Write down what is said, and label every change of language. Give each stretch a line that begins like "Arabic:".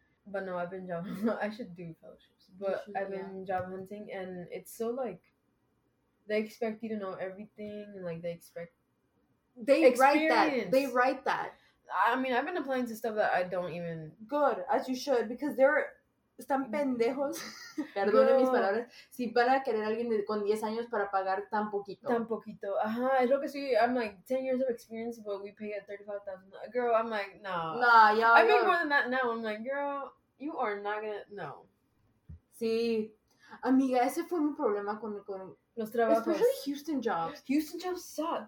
English: But no, I've been job hunting. I should do fellowships. But should, I've been job hunting, and it's so, like, they expect you to know everything. And, like, they expect They write that. I mean, I've been applying to stuff that I don't even... Good, as you should, because they're...
Spanish: Están pendejos. Perdón mis palabras. Si van a querer alguien con 10 años para pagar tan poquito. Tan poquito. Ajá, es lo que sí.
English: I'm like, 10 years of experience, but we pay at $35,000. Girl, I'm like, no. Nah, yeah. I make more than that now. I'm like, girl, you are not gonna... No.
Spanish: Sí. Amiga, ese fue mi problema con... Los trabajos.
English: Especially Houston jobs. Houston jobs suck.